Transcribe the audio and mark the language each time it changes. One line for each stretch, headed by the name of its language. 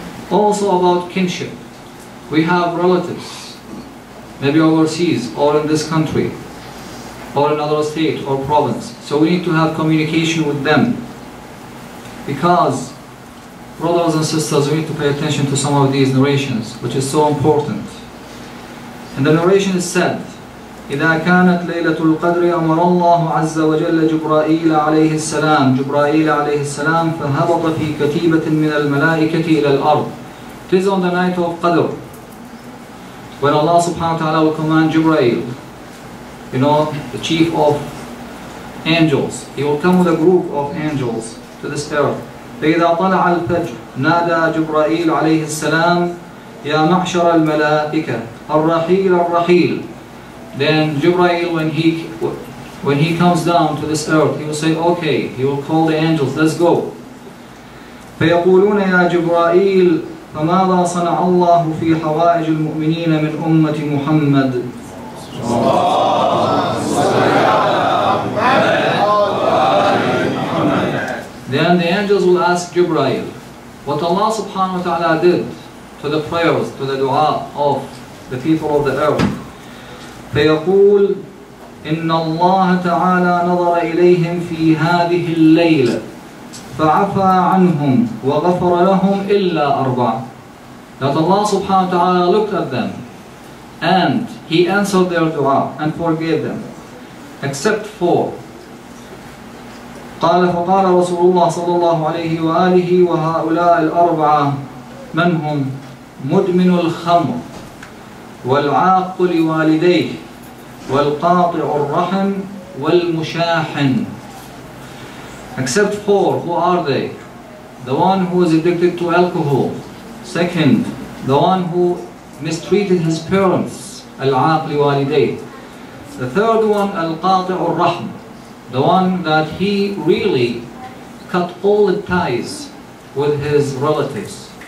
English: Also about kinship. We have relatives, maybe overseas, or in this country, or another state or province. So we need to have communication with them. Because, brothers and sisters, we need to pay attention to some of these narrations, which is so important. And the narration is said,
Arabic: إذا كانت ليلة القدر أمر الله عز وجل جبرائيل عليه السلام جبرائيل عليه السلام فهبط في كتيبة من الملائكة إلى الأرض.
English: It is on the night of Qadr when Allah subhanahu wa ta'ala will command Jibreel, you know, the chief of angels. He will come with a group of angels to this earth.
Arabic: فإذا طلع الفجر نادى جبرائيل عليه السلام يا معشر الملائكة الرحيل الرحيل.
English: Then Jibreel, when he comes down to this earth, he will say, okay, he will call the angels, let's go.
Arabic: فَيَقُولُونَ يَا جِبْرَائِيلُ فَمَاذَا صَنَعَ اللَّهُ فِي حَوَائِجِ الْمُؤْمِنِينَ مِنْ أُمَّةِ مُحَمَّدٍ.
English: Then the angels will ask Jibreel, what Allah subhanahu wa ta'ala did to the prayers, to the dua of the people of the earth.
Arabic: فيقول إن الله تعالى نظر إليهم في هذه الليلة فعفى عنهم وغفر لهم إلا أربعة.
English: That Allah subhanahu wa ta'ala looked at them and he answered their dua and forgave them except four.
Arabic: قال فقال رسول الله صلى الله عليه وآله وهؤلاء الأربعة من هم مدمن الخمر والعاق لوالديه والقاطع الرحم والمشاحن.
English: Except four, who are they? The one who is addicted to alcohol. Second, the one who mistreated his parents.
Arabic: العاق لوالديه.
English: The third one,
Arabic: القاطع الرحم.
English: The one that he really cut all the ties with his relatives.